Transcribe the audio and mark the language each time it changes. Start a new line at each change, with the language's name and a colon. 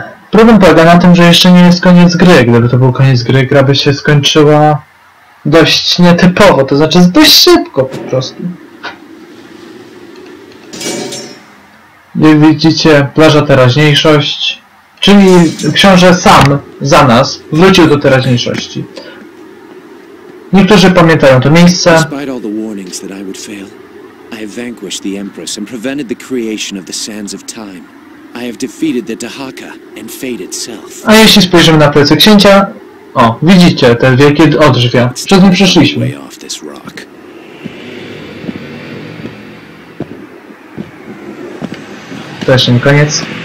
Polish: Problem polega na tym, że jeszcze nie jest koniec gry. Gdyby to był koniec gry, gra by się skończyła dość nietypowo, to znaczy dość szybko po prostu. Jak widzicie, plaża teraźniejszość. Czyli książę sam, za nas, wrócił do teraźniejszości. Niektórzy pamiętają to miejsce.
English: Despite all the warnings that I would fail, I have vanquished the Empress and prevented the creation of the Sands of Time. I have defeated the Dahaka and fate itself.
Polish: A jeśli spojrzymy na plecy księcia... O, widzicie te wielkie odrzwia. Przez nie przeszliśmy. Też nie koniec.